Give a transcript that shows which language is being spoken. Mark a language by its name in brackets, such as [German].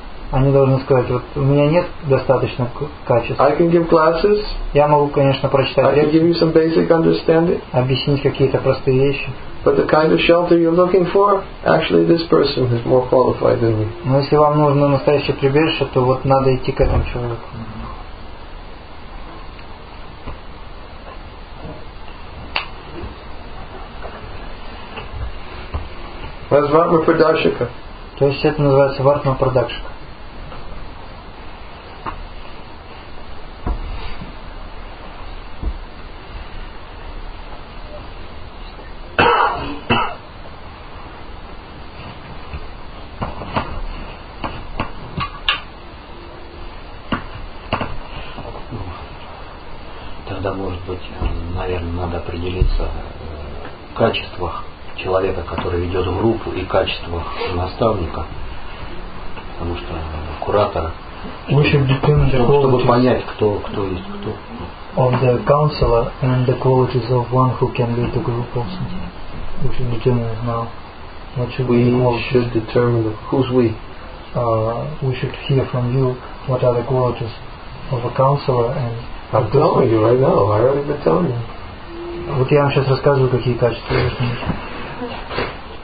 [Russian] Они должны сказать, вот у меня нет достаточно качества. [English] I can give classes. [Russian] Я могу, конечно, прочитать. [English] I can give you some basic understanding. [Russian] Объяснить какие-то простые вещи. [English] But the kind of shelter you're looking for, actually this person is more qualified than me. [Russian] Но если вам нужно настоящее прибежище, то вот надо идти к этому человеку. [Sanskrit] Vartma Pradakshika. [Russian] То есть это называется Vartma Pradakshika. быть, наверное, надо определиться в качествах человека, который ведет группу, и качествах наставника, потому что куратора. Чтобы понять, кто есть кто. [English] Of the counselor and the qualities of one who can lead the group also. We should determine now. What should we should determine who's we. We should hear from you what are the qualities of a counselor and. I'm telling you right now. I already been telling you. [Russian] Вот я вам сейчас рассказываю, какие качества вы должны иметь.